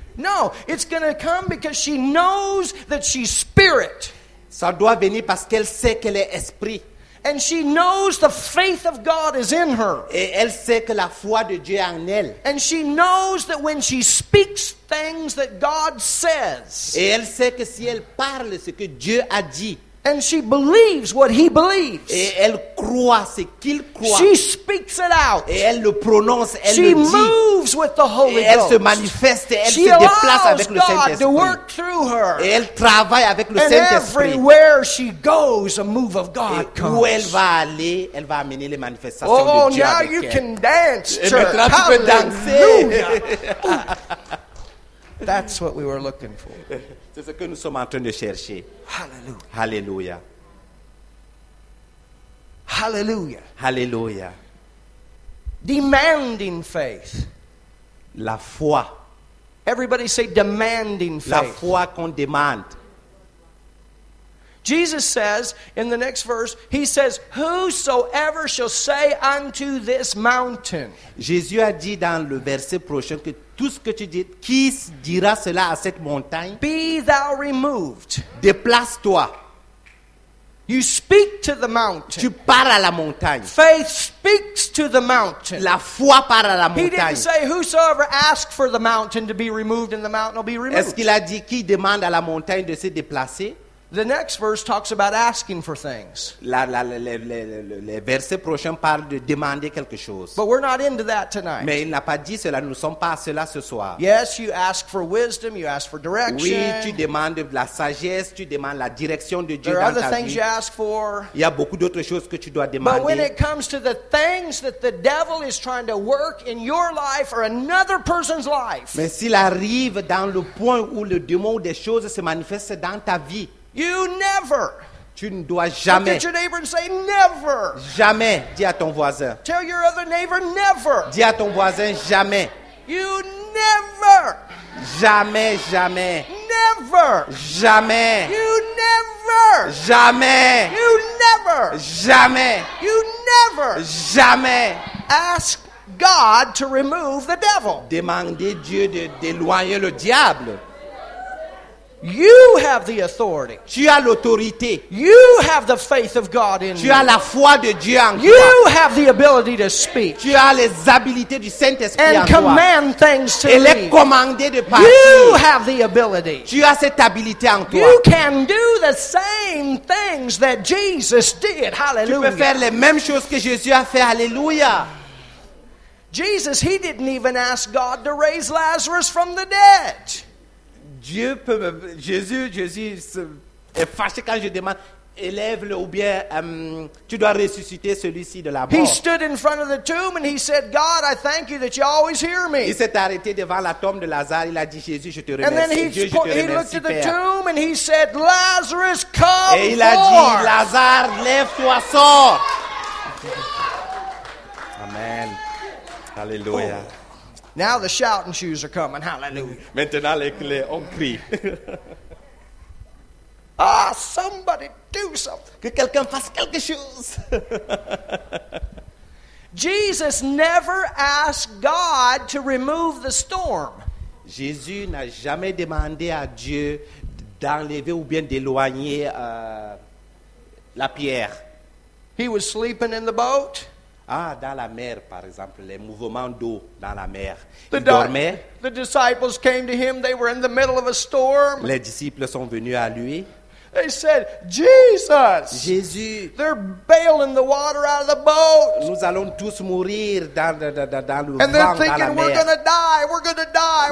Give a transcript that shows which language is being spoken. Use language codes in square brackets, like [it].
[en] No, it's going to come because she knows that she's spirit. [fr] Ça doit venir parce qu'elle sait qu'elle est esprit. [en] And she knows the faith of God is in her. [fr] Et elle sait que la foi de Dieu est en elle. [en] And she knows that when she speaks things that God says. [fr] Et elle sait que si elle parle ce que Dieu a dit. [en] And she believes what he believes. [fr] Et elle croit ce qu'il croit. [en] She speaks it out. [fr] Et elle le prononce, elle [en] she [fr] le dit. [en] She moves with the Holy Ghost. [fr] Et elle se manifeste, elle [en] she [fr] se déplace avec [en] God [fr] le Saint-Esprit. [en] To work through her. [fr] Et elle travaille avec le [en] And [fr] Saint-Esprit. [en] Everywhere she goes, a move of God [fr] Et [en] comes. [fr] Où elle va aller, elle va amener les manifestations oh, de Dieu avec elle. [en] Oh, now you can dance, church. [fr] Et maintenant tu peux danser. [en] That's what we were looking for. [fr] C'est ce que nous sommes en train de chercher. [en] Hallelujah. Hallelujah. Hallelujah. Hallelujah. Demanding faith. [fr] La foi. [en] Everybody say demanding faith. [fr] La foi qu'on demande. [en] Jesus says in the next verse, he says, whosoever shall say unto this mountain. [fr] Jésus a dit dans le verset prochain que tout ce que tu dis, qui dira cela à cette montagne? [en] Be thou removed. [fr] Déplace-toi. [en] You speak to the mountain. [fr] Tu parles à la montagne. [en] Faith speaks to the mountain. [fr] La foi parle à la montagne. [en] He didn't say whosoever asks for the mountain to be removed and the mountain will be removed. [fr] Est-ce qu'il a dit qui demande à la montagne de se déplacer? [en] The next verse talks about asking for things. [fr] Les versets prochains parlent de demander quelque chose. [en] But we're not into that tonight. [fr] Mais il n'a pas dit cela, nous ne sommes pas à cela ce soir. [en] Yes, you ask for wisdom, you ask for direction. [fr] Oui, tu demandes de la sagesse, tu demandes la direction de Dieu dans ta vie. [en] There are other things you ask for. [fr] Il y a beaucoup d'autres choses que tu dois demander. [en] But when it comes to the things that the devil is trying to work in your life or another person's life. [fr] Mais s'il arrive dans le point où le démon des choses se manifeste dans ta vie. [en] You never. [fr] Tu ne dois jamais. [en] Look at your neighbor and say never. [fr] Jamais. Dis à ton voisin. [en] Tell your other neighbor never. [fr] Dis à ton voisin jamais. [en] You never. [fr] Jamais, jamais. [en] Never. [fr] Jamais. [en] You never. [fr] Jamais. [en] You never. [fr] Jamais. [en] You never. [fr] Jamais. [en] Ask God to remove the devil. [fr] Demandez Dieu de d'éloigner le diable. [en] You have the authority. [fr] Tu as l'autorité. [en] You have the faith of God in [fr] tu [en] you. [fr] Tu as la foi de Dieu en toi. [en] You have the ability to speak. [fr] Tu as les habiletés du Saint-Esprit [en] and [fr] en toi. [en] And command things to [fr] et les commander de partir. [en] You have the ability. [fr] Tu as cette habilité en toi. [en] You can do the same things that Jesus did. Hallelujah. [fr] Tu peux faire les mêmes choses que Jésus a fait. [en] Hallelujah. Jesus, he didn't even ask God to raise Lazarus from the dead. [fr] Jésus est fâché quand je demande élève-le ou bien tu dois ressusciter celui-ci de la mort. [en] He stood in front of the tomb and he said, God, I thank you that you always hear me. [fr] Il s'est arrêté devant la tombe de Lazare. Il a dit, Jésus, je te remercie. [en] And then he looked at the tomb and he said, Lazarus, come forth. [fr] Et il a dit, Lazare, lève-toi, sors. Amen. Alléluia. Oh. [en] Now the shouting shoes are coming. Hallelujah. [fr] Maintenant les clés, on crie. [en] Ah, somebody do something. [fr] Que quelqu'un fasse quelque chose. [en] Jesus never asked God to remove the storm. [fr] Jésus n'a jamais demandé à Dieu d'enlever ou bien d'éloigner la pierre. [en] He was sleeping in the boat. [fr] Ah, dans la mer, par exemple, les mouvements d'eau dans la mer. Il dormait. [en] The disciples came to him. They were in the middle of a storm. [fr] Les disciples sont venus à lui. [en] They said, Jesus. [fr] Jésus. [en] They're bailing the water out of the boat. [fr] Nous allons tous mourir dans le vent, dans la mer. [en] And they're thinking, we're going to die. We're going to die.